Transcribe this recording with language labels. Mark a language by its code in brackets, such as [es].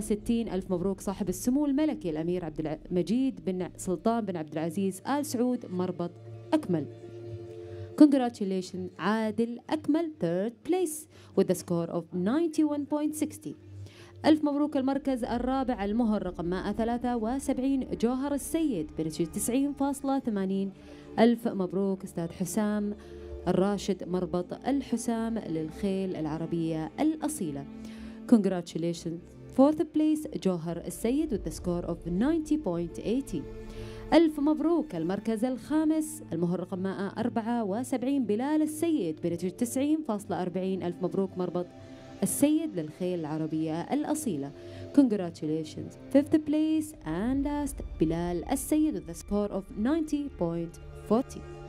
[ar] ألف مبروك صاحب السمو الملكي الأمير عبد المجيد بن سلطان بن عبد العزيز آل سعود مربط أكمل. [en] Congratulations عادل أكمل third place with a score of 91.60. [ar] ألف مبروك المركز الرابع المهر رقم 173 جوهر السيد بنتيجة 90.80. ألف مبروك أستاذ حسام الراشد مربط الحسام للخيل العربية الأصيلة. [en] Congratulations fourth place جوهر السيد with a score of 90.80. [ar] ألف مبروك المركز الخامس المهر رقم 174 بلال السيد بنتيجة 90.40. ألف مبروك مربط السيد للخيل العربية الأصيلة. [en] Congratulations fifth place and last بلال السيد with a score of 90.40.